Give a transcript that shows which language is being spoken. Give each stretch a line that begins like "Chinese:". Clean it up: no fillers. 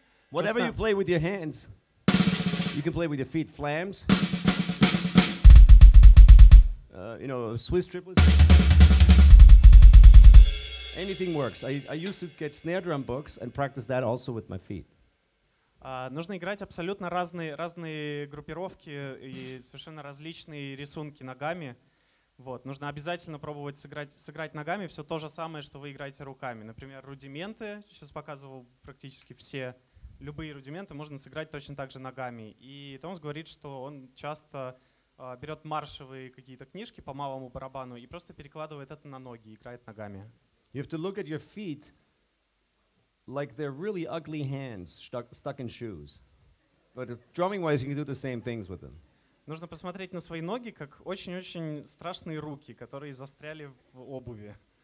English: Whatever you play with your hands, you can play with your feet, flams. You know, Swiss triplets. Anything works. I used to get snare drum books and practice that also with my feet.
Russian: Нужно играть абсолютно разные группировки и совершенно различные рисунки ногами. Вот. Нужно обязательно пробовать сыграть ногами все то же самое, что вы играете руками. Например, рудименты. Сейчас показывал практически все. Любые рудименты можно сыграть точно так же ногами. И Томас говорит, что он часто берет маршевые какие-то книжки по малому барабану и просто перекладывает это на ноги, играет ногами.
English: You have to look at your feet like they're really ugly hands stuck in shoes. But drumming-wise, you can do the same things with them.
Russian: Нужно посмотреть на свои ноги как очень-очень страшные руки, которые застряли в обуви.